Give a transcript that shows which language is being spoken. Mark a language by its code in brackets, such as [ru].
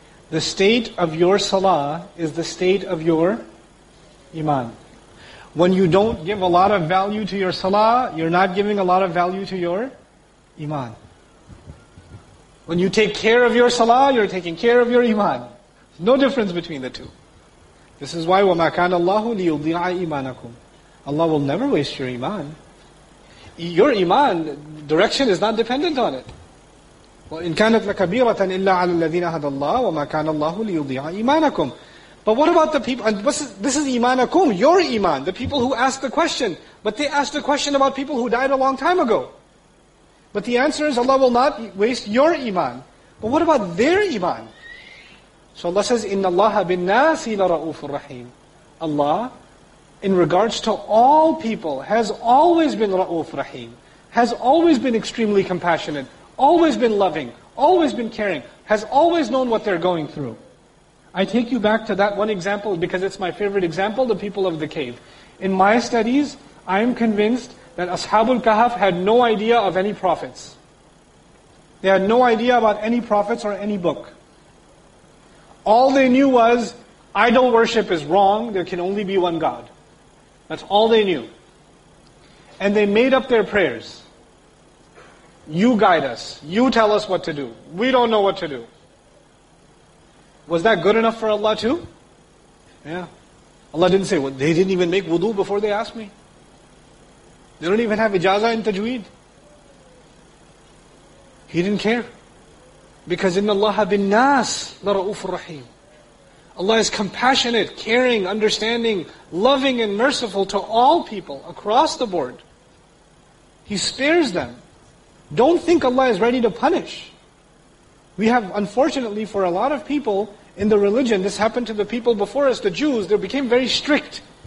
[en] The state of your salah is the state of your iman. When you don't give a lot of value to your salah, you're not giving a lot of value to your iman. When you take care of your salah, you're taking care of your iman. No difference between the two. This is why, [ar] وَمَا كَانَ اللَّهُ لِيُضِيعَ إِيمَانَكُمْ. [en] Allah will never waste your iman. Your iman, direction is not dependent on it. [ar] وَإِنْ كَانَتْ لَكَبِيرَةً إِلَّا عَلَى الَّذِينَ هَدَى اللَّهُ وَمَا كَانَ اللَّهُ لِيُضِيعَ إِيمَانَكُمْ. [en] But what about the people, and this is imanakum, your iman, the people who asked the question. But they asked a question about people who died a long time ago. But the answer is Allah will not waste your iman. But what about their iman? So Allah says, [ar] إِنَّ اللَّهَ بِالنَّاسِ لَرَؤُوفُ الرَّحِيمُ. [en] Allah, in regards to all people, has always been Ra'uf Rahim, has always been extremely compassionate, always been loving, always been caring, has always known what they're going through. I take you back to that one example because it's my favorite example, the people of the cave. In my studies, I am convinced that Ashabul Kahf had no idea of any prophets. They had no idea about any prophets or any book. All they knew was, idol worship is wrong, there can only be one God. That's all they knew. And they made up their prayers. You guide us. You tell us what to do. We don't know what to do. Was that good enough for Allah too? Yeah. Allah didn't say, well, they didn't even make wudu before they asked me. They don't even have ijazah in tajweed. He didn't care. Because [ar] إِنَّ اللَّهَ بِالنَّاسِ لَرَؤُوفُ الرَّحِيمُ. [en] Allah is compassionate, caring, understanding, loving and merciful to all people across the board. He spares them. Don't think Allah is ready to punish. We have, unfortunately, for a lot of people in the religion, this happened to the people before us, the Jews, they became very strict.